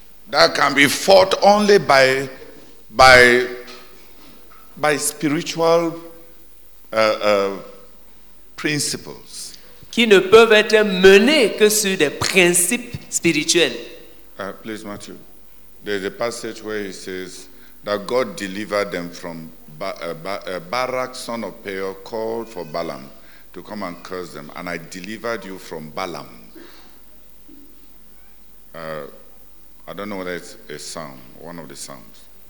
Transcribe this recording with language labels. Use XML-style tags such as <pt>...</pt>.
<en>That can be fought only by spiritual principles.</en> <fr>Qui ne peuvent être menées que sur des principes spirituels.</fr> <en>Please, Matthew. There's a passage where he says that God delivered them from Barak, son of Peor, called for Balaam to come and curse them, and I delivered you from Balaam. I don't know whether it's a psalm, one of the psalms.</en>